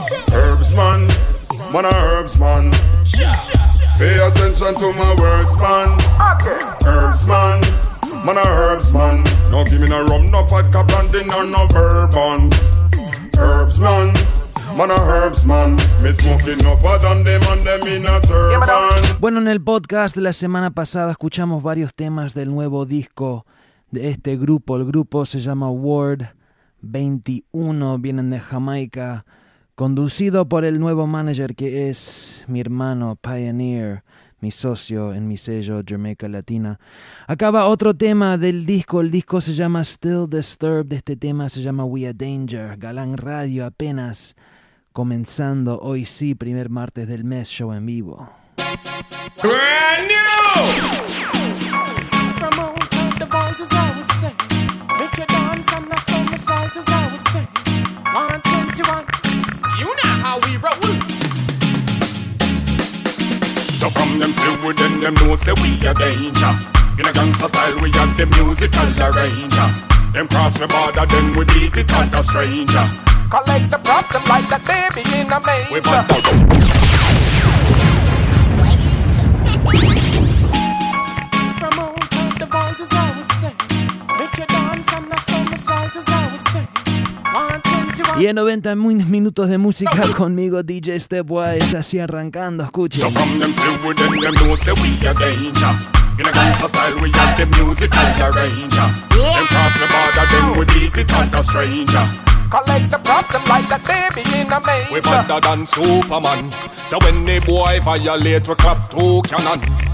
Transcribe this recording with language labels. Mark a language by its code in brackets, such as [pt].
[en] Herbs man, man a herbs man. Pay attention to my words man. Herbs man, man a herbs man. No give me no rum, no vodka, brandy, no no bourbon. Herbs man, man a herbs man. Me smoking no further than them and them in a turban. [es] Bueno, en el podcast de la semana pasada escuchamos varios temas del nuevo disco de este grupo. El grupo se llama Ward 21, vienen de Jamaica, conducido por el nuevo manager que es mi hermano Pioneer, mi socio en mi sello Jamaica Latina. Acaba otro tema del disco, el disco se llama Still Disturbed, este tema se llama We Are Danger. Galán Radio apenas comenzando, hoy sí, primer martes del mes, show en vivo. [en] Brand new! From old time to vault, as I would say. Make your dance on the somersault, as I would say. 121. You know how we roll. So from them silver, then them know, say we a danger. In a gangster style, we got the musical arranger. Them cross the border, then we beat it at a stranger. Collect the problem like that baby in a manger. We want to go. From old time to vault, as I would say. Make your dance on the somersault, as I would say. 121. [es] Y en 90 minutos de música conmigo, DJ Stepwise, así arrancando, escuchen. [en] So from them silver, then them know, say we a danger. In a gangster style, we got the musical arranger. Them cross the border, then we beat it at a stranger. Collect the problem like that baby in a manger. We better than Superman. So when the boy violate, we clap two cannon.